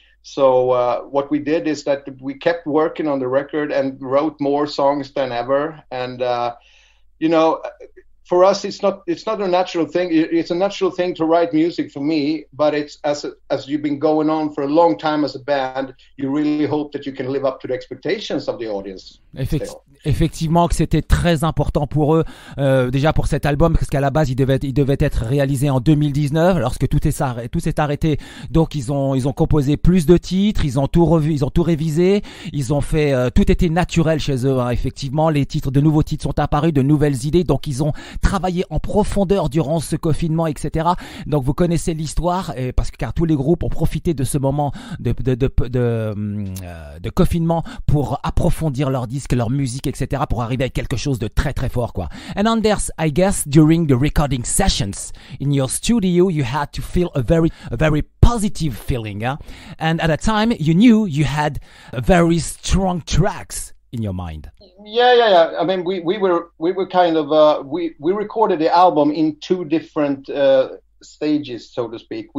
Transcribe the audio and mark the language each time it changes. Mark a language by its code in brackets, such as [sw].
[en] So what we did is that we kept working on the record and wrote more songs than ever. And, you know, for us, it's not a natural thing. It's a natural thing to write music for me, but it's as you've been going on for a long time as a band, you really hope that you can live up to the expectations of the audience. [fr] Effectivement que c'était très important pour eux déjà pour cet album, parce qu'à la base il devait être réalisé en 2019 lorsque tout s'est arrêté. Donc ils ont composé plus de titres, ils ont tout révisé, ils ont fait tout était naturel chez eux hein, effectivement. De nouveaux titres sont apparus, de nouvelles idées, donc ils ont travaillé en profondeur durant ce confinement, etc. Donc vous connaissez l'histoire, car tous les groupes ont profité de ce moment de confinement pour approfondir leur disque, leur musique, etc., pour arriver à quelque chose de très très fort quoi. [en] And Anders, I guess during the recording sessions in your studio you had to feel a very positive feeling huh? And at a time you knew you had very strong tracks in your mind. Yeah. I mean we were kind of we recorded the album in two different stages, so to speak.